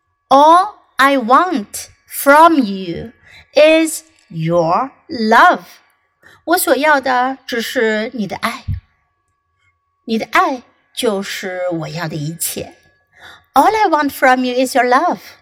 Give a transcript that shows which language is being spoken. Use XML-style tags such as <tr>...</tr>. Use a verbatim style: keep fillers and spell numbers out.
<en>All I want from you is your love.</en> <zh>我所要的只是你的爱。你的爱就是我要的一切。</zh> <en>All I want from you is your love.</en>